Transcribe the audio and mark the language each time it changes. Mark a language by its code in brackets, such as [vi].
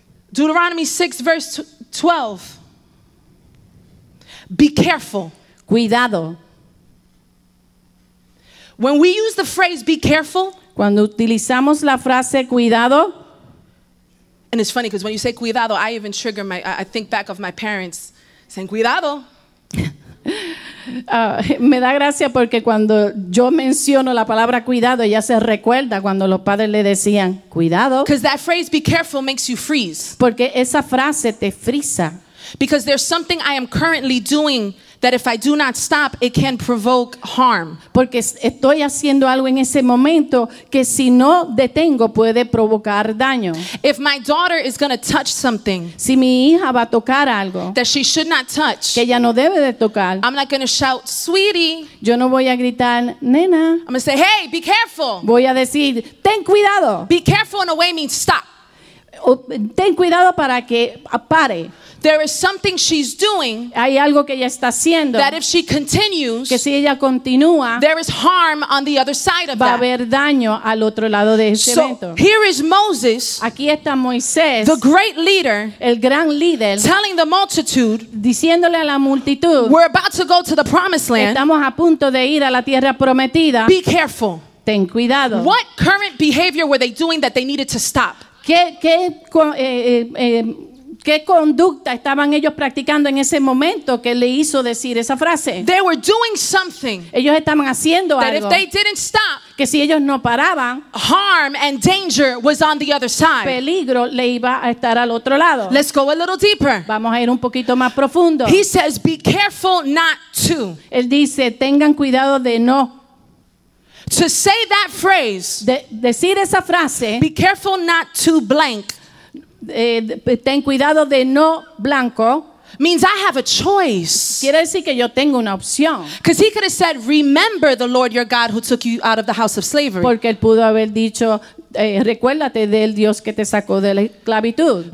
[en] Deuteronomy 6 verse 12. Be careful. [es] Cuidado. [en] When we use the phrase be careful. [es] Cuando utilizamos la frase cuidado. [en] And it's funny because when you say cuidado, I even trigger my, I think back of my parents saying cuidado. [es] Me da gracia porque cuando yo menciono la palabra cuidado, ella se recuerda cuando los padres le decían cuidado. [en] Because that phrase be careful makes you freeze. [es] Porque esa frase te frisa. [en] Because there's something I am currently doing that if I do not stop, it can provoke harm. [es] Porque estoy haciendo algo en ese momento que si no detengo puede provocar daño. [en] If my daughter is going to touch something, [es] si mi hija va a tocar algo, [en] that she should not touch, [es] que ella no debe de tocar, [en] I'm not going to shout, sweetie. [es] Yo no voy a gritar, nena. [en] I'm going to say, hey, be careful. [es] Voy a decir, ten cuidado. [en] Be careful in a way means stop. [es] Ten cuidado para que pare. [en] There is something she's doing. [es] Hay algo que ella está haciendo. [en] That if she continues, [es] que si ella continúa, [en] there is harm on the other side of [es] va [en] that. [es] Va a haber daño al otro lado de ese [en] so, [es] evento. [en] So here is Moses. [es] Aquí está Moisés. [en] The great leader. [es] El gran líder. [en] Telling the multitude. [es] Diciéndole a la multitud. [en] We're about to go to the promised land. [es] Estamos a punto de ir a la tierra prometida. [en] Be careful. [es] Ten cuidado. [en] What current behavior were they doing that they needed to stop? [es] ¿Qué conducta estaban ellos practicando en ese momento que le hizo decir esa frase? [en] They were doing something. [es] Ellos estaban haciendo [en] that [es] algo. [en] If they didn't stop, [es] que si ellos no paraban, [en] harm and danger was on the other side. [es] Peligro le iba a estar al otro lado. [en] Let's go a little deeper. [es] Vamos a ir un poquito más profundo. [en] He says, "Be careful not to." [es] Él dice, "Tengan cuidado de no." [en] To say that phrase, [es] decir esa frase, [en] be careful not to blank, [es] ten cuidado de no blanco, [en] means I have a choice. [es] Quiere decir que yo tengo una opción. [en] Because he could have said, remember the Lord your God who took you out of the house of slavery. [es] Porque él pudo haber dicho, recuérdate del Dios que te sacó de la esclavitud.